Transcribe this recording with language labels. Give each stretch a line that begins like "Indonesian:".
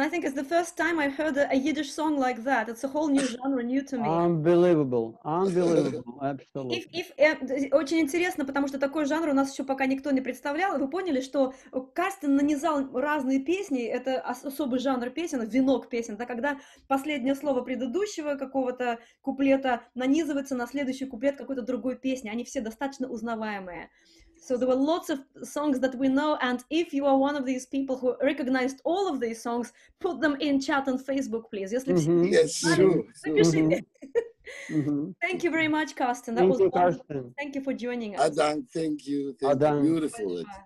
English: I think it's the first time I've heard a Yiddish song like that. It's a whole new genre, new to me. Unbelievable. Unbelievable. Absolutely.
Russian: Очень интересно, потому что такой жанр у нас еще пока никто не представлял. Вы поняли, что Карстен нанизал разные песни. Это особый жанр песен, венок песен. Это когда последнее слово предыдущего какого-то куплета нанизывается на следующий куплет какой-то другой песни. Они все достаточно узнаваемые.
English: So there were lots of songs that we know, and if you are one of these people who recognized all of these songs, put them in chat on Facebook, please. Yes, mm-hmm. Yes, sure. Mm-hmm. Thank you very much, Karsten. That thank was you, Karsten. Thank you for joining us. Adan, thank you. Adan. Beautiful.